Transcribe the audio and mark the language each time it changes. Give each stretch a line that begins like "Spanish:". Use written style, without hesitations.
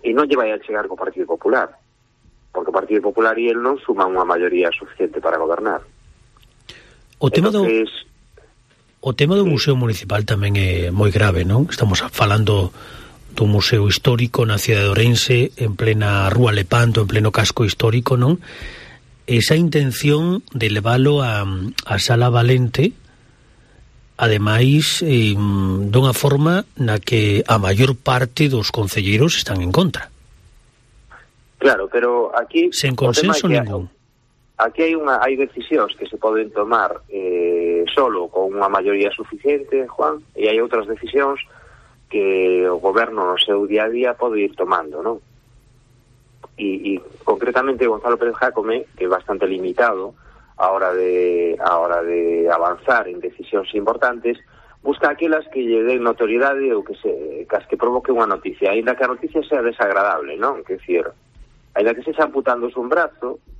Spanish: Y no lleva a llegar con Partido Popular, porque Partido Popular y él no suman una mayoría suficiente para gobernar.
Galician: O tema do Museo Municipal
Spanish: también es muy grave, ¿no? Estamos hablando de un museo histórico en la ciudad de Ourense, en plena Rúa Lepanto, en pleno casco histórico, ¿no? Esa intención de
Galician: elevalo a Sala Valente, ademais, dunha forma na que a maior parte dos concelleiros están en contra. Claro, pero aquí... Sen consenso ningún. Aquí hai decisións que se poden tomar solo con unha maioría suficiente, Juan, e hai outras decisións que o goberno no seu día a día pode ir tomando, non?
Spanish: Y concretamente Gonzalo Pérez Jácome, que es bastante limitado a hora de avanzar en decisiones importantes, busca aquellas que le den notoriedad o que provoque una noticia,
Galician: ainda que
Spanish: la noticia sea desagradable, ¿no? Es decir, ainda que se está amputando un brazo,